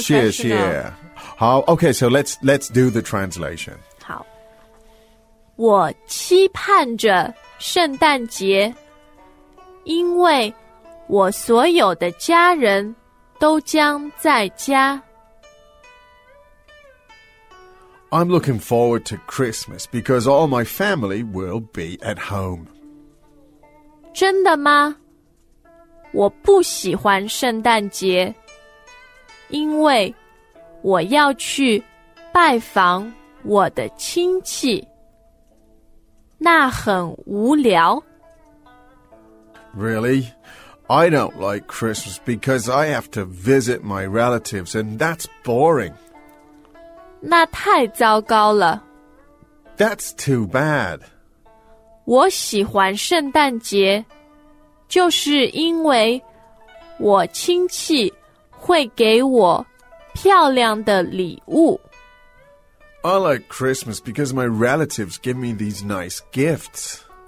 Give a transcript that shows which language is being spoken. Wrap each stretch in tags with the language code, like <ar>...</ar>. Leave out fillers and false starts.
<en>谢谢。好, okay, so let's do the translation.</en> <zh>好。我期盼着圣诞节，因为我所有的家人都将在家。</zh> <en>I'm looking forward to Christmas because all my family will be at home.</en> <zh>真的吗？我不喜欢圣诞节，因为我要去拜访我的亲戚，那很无聊。</zh> <en>Really? I don't like Christmas because I have to visit my relatives and that's boring.</en> <zh>那太糟糕了。</zh> <en>That's too bad.</en> <zh>我喜欢圣诞节，就是因为我亲戚会给我漂亮的礼物。</zh> <en>I like Christmas because my relatives give me these nice gifts.</en>